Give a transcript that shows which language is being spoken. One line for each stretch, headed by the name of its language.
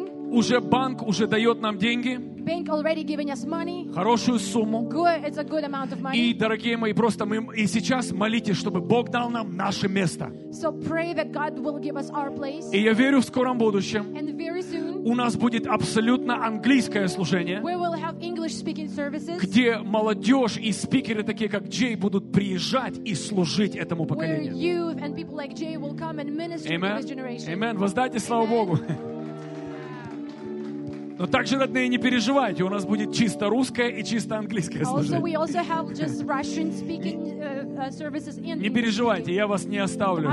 Russian: Уже банк уже дает нам деньги.
English: Bank already giving us money.
Russian: Хорошую сумму.
English: Good, it's a good amount of money.
Russian: И, дорогие мои, просто мы и сейчас молитесь, чтобы Бог дал нам наше место.
English: So pray that God will give us our place.
Russian: И я верю, в скором будущем
English: and very soon,
Russian: у нас будет абсолютно английское служение,
English: we will have English speaking services,
Russian: где молодежь и спикеры, такие как Джей, будут приезжать и служить этому поколению.
English: Where youth and people like Jay will come and minister to this generation.
Russian: Amen. Воздайте славу Богу. Но также, родные, не переживайте, у нас будет чисто русское и чисто английское служение. Не переживайте, я вас не оставлю.